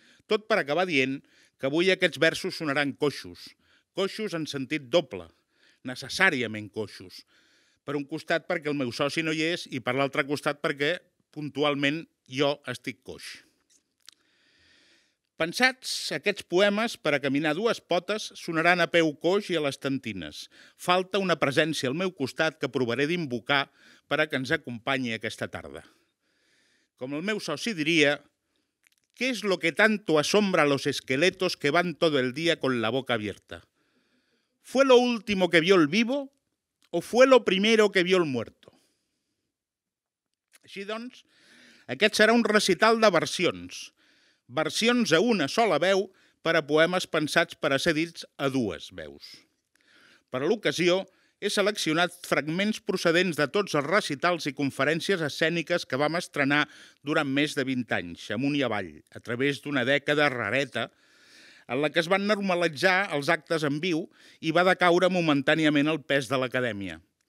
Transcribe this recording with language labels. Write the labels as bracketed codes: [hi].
[ca] Tot per acabar dient que avui aquests versos sonaran coixos, coixos en sentit doble, necessàriament coixos, per un costat perquè el meu soci no hi és i per l'altre costat perquè, puntualment, jo estic coix. Pensats, aquests poemes, per a caminar dues potes, sonaran a peu coix i a les tentines. Falta una presència al meu costat que provaré d'invocar per a que ens acompanyi aquesta tarda. [es] Com el meu soci diria, ¿qué es lo que tanto asombra a los esqueletos que van todo el día con la boca abierta? ¿Fue lo último que vio el vivo o fue lo primero que vio el muerto? [ca] Així doncs, aquest serà un recital de versions. Versions a una sola veu per a poemes pensats per a ser dits a dues veus. Per a l'ocasió, he seleccionat fragments procedents de tots els recitals i conferències escèniques que vam estrenar durant més de 20 anys, amunt i avall, a través d'una dècada rareta, en la que es van normalitzar els actes en viu i va decaure momentàniament el pes de l'acadèmia.